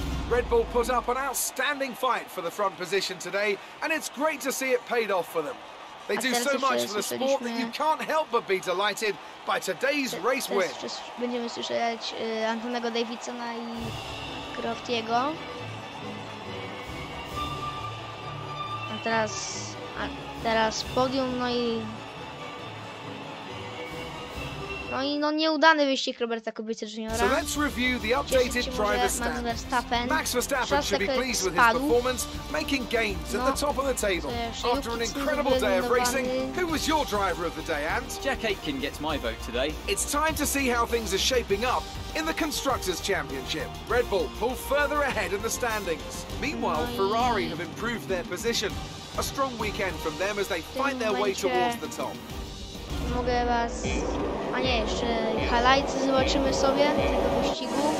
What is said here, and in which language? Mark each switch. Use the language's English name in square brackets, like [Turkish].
[English] Red Bull put up an outstanding fight for the front position today, and it's great to see it paid off for them. They do so much for the sport that you can't help but be delighted by today's race win. [Polish] Będziemy słyszeć Antonego Davidsona i Croftiego. A teraz podium, no i... No i no nieudany wyścig Roberta Kubicy Juniora. [English] So let's review the updated driver stats. Max Verstappen should be pleased with his performance, making gains at the top of the table. After an incredible day of racing, who was your driver of the day, Ant? Jack Aitken gets my vote today. It's time to see how things are shaping up in the Constructors' Championship. Red Bull pull further ahead in the standings. Meanwhile, Ferrari have improved their position. A strong weekend from them as they find their way towards the top. [Polish] Mogę was... A nie, jeszcze highlights zobaczymy sobie tego wyścigu.